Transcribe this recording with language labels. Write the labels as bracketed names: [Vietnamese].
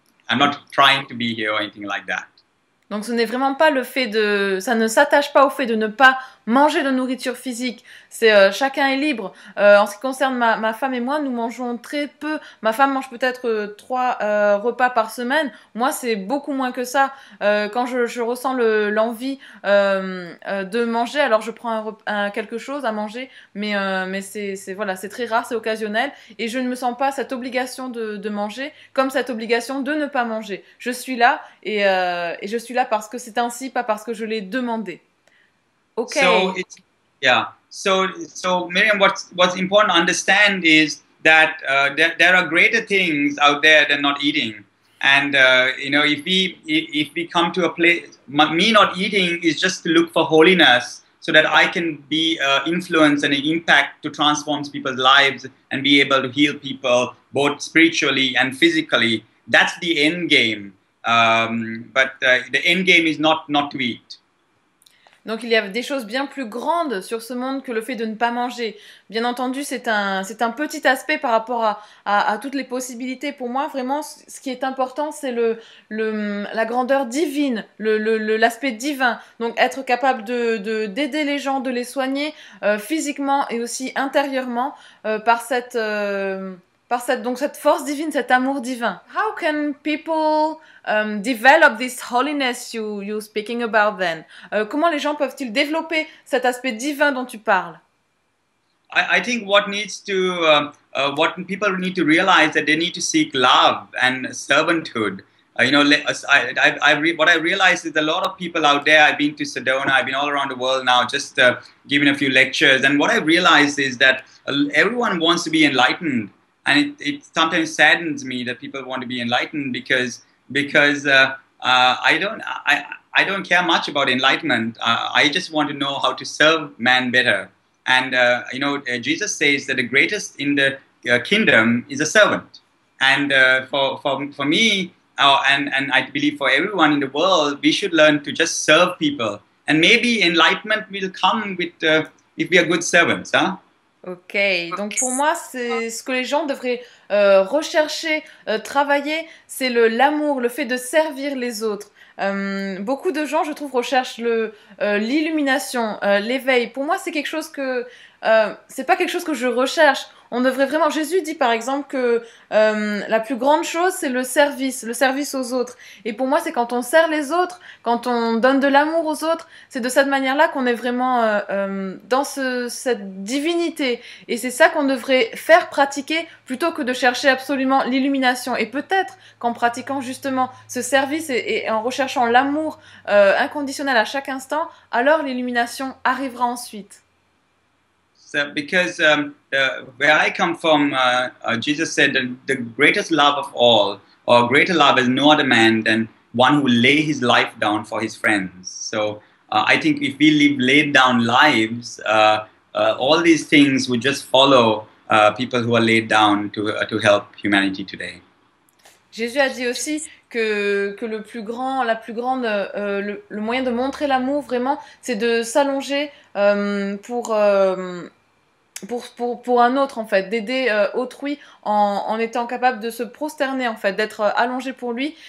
[English] I'm not trying to be here or anything like that. [French] Donc ce n'est vraiment pas le fait de... Ça ne s'attache pas au fait de ne pas manger de nourriture physique. C'est chacun est libre. En ce qui concerne ma femme et moi, nous mangeons très peu. Ma femme mange peut-être 3 repas par semaine. Moi, c'est beaucoup moins que ça. Quand je ressens l'envie de manger, alors je prends quelque chose à manger. Mais voilà, c'est très rare, c'est occasionnel. Et je ne me sens pas cette obligation de manger comme cette obligation de ne pas manger. Je suis là et je suis là parce que c'est ainsi, pas parce que je l'ai demandé. Okay. [English] So it's, yeah. So Miriam, what's important to understand is that there are greater things out there than not eating. And you know, if we come to a place, me not eating is just to look for holiness, so that I can be influence and an impact to transform people's lives and be able to heal people both spiritually and physically. That's the end game. But the end game is not to eat. [French] Donc il y a des choses bien plus grandes sur ce monde que le fait de ne pas manger. Bien entendu, c'est un petit aspect par rapport à toutes les possibilités. Pour moi, vraiment, ce qui est important, c'est la grandeur divine, l'aspect divin. Donc être capable d'aider les gens, de les soigner physiquement et aussi intérieurement par cette force divine, cet amour divin. [English] How can people develop this holiness you're speaking about then? [French] Comment les gens peuvent-ils développer cet aspect divin dont tu parles? [English] I think what needs to what people need to realize that they need to seek love and servanthood. You know, what I realized is a lot of people out there. I've been to Sedona. I've been all around the world now, just giving a few lectures. And what I realized is that everyone wants to be enlightened. And it sometimes saddens me that people want to be enlightened because I don't care much about enlightenment. I just want to know how to serve man better. And you know, Jesus says that the greatest in the kingdom is a servant. And for me, and I believe for everyone in the world, we should learn to just serve people. And maybe enlightenment will come with if we are good servants, huh? [French] Ok, donc pour moi, c'est ce que les gens devraient rechercher, travailler, c'est l'amour, le fait de servir les autres. Beaucoup de gens, je trouve, recherchent l'illumination, l'éveil. Pour moi, c'est quelque chose que c'est pas quelque chose que je recherche. On devrait vraiment. Jésus dit par exemple que la plus grande chose, c'est le service aux autres. Et pour moi, c'est quand on sert les autres, quand on donne de l'amour aux autres, c'est de cette manière-là qu'on est vraiment dans cette divinité. Et c'est ça qu'on devrait faire pratiquer plutôt que de chercher absolument l'illumination. Et peut-être qu'en pratiquant justement ce service et en recherchant l'amour inconditionnel à chaque instant, alors l'illumination arrivera ensuite. [English] So because where I come from, Jesus said that the greatest love of all, or greater love is no other man than one who lay his life down for his friends. So I think if we live laid down lives, all these things would just follow people who are laid down to help humanity today. [French] Jésus a dit aussi que le plus grand, la plus grande, le moyen de montrer l'amour vraiment, c'est de s'allonger pour un autre en fait, d'aider autrui en étant capable de se prosterner en fait, d'être allongé pour lui.